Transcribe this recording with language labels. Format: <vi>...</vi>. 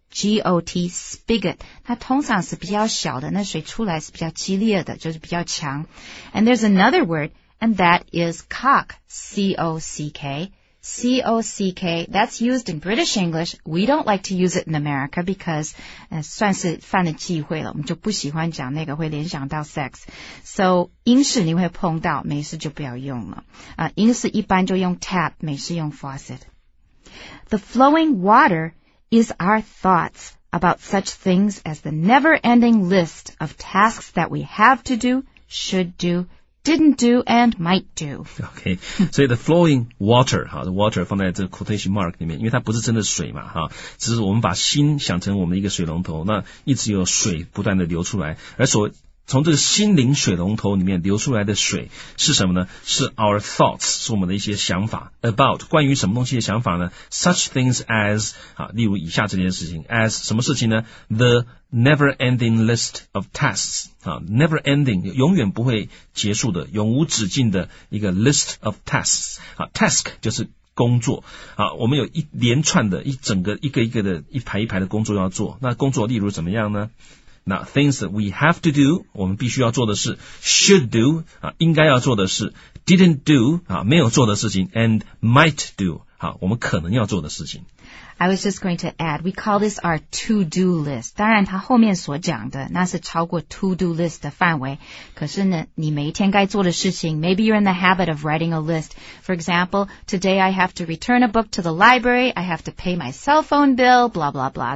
<en>G-O-T, spigot.</en> <zh>它通常是比较小的，那水出来是比较激烈的，就是比较强。</zh> <en>And there's another word, and that is cock, C-O-C-K. C-O-C-K, that's used in British English. We don't like to use it in America because,</en> <zh>算是犯了忌讳了，我们就不喜欢讲那个会联想到</zh> <en>sex.</en> <zh>So, 英式你会碰到，美式就不要用了。英式一般就用 tap, 美式用 faucet.</zh> <en>The flowing water... is our thoughts about such things as the never-ending list of tasks that we have to do, should do, didn't do, and might do.</en> <zh>Okay, so the flowing water, the water 放在这个 quotation mark 里面，因为它不是真的水嘛，哈，只是我们把心想成我们一个水龙头，那一直有水不断的流出来，而所从这个心灵水龙头里面流出来的水是什么呢？是 our thoughts， 是我们的一些想法 about 关于什么东西的想法呢 ？Such things as 啊，例如以下这件事情 ，as 什么事情呢 ？</zh> <en>The never ending list of tasks</en> <zh>啊 ，never ending 永远不会结束的，永无止境的一个 list of tasks 啊 ，task 就是。工作啊，我们有一连串的一整个一个一个的一排一排的工作要做。那工作例如怎么样呢？那</zh> <en>things that we have to do,</en> <zh>我们必须要做的事 should do,、应该要做的事 didn't do,、没有做的事情 and might do,、我们可能要做的事情。</zh> <en>I was just going to add, we call this our to-do list.</en> <zh>当然它后面所讲的那是超过 to-do list 的范围。可是呢你每一天该做的事情</zh> <en>maybe you're in the habit of writing a list. For example, today I have to return a book to the library, I have to pay my cell phone bill, blah, blah, blah.</en>